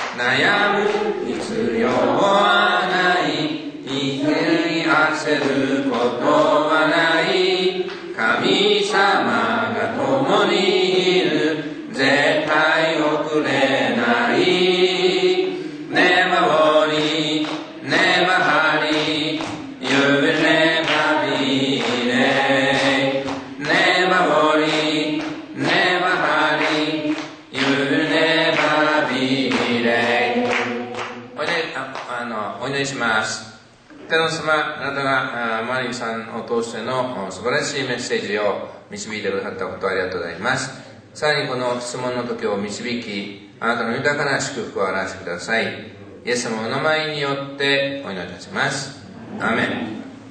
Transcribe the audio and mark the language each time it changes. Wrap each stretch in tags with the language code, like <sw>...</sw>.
<ja>悩む必要はない、生きるに焦ることはない、神様が共に絶対遅れない。</ja> <en>Never worry, never hurry, you'll never be late. Never worry, never hurry, you'll never be late.</en> <ja>おいで、お祈りします。天の様、あなたがマリーさんを通しての素晴らしいメッセージを導いてくださったことをありがとうございます。さらにこの質問の時を導き、あなたの豊かな祝福を表してください。イエス様の名前によってお祈りいたします。アーメン。</ja>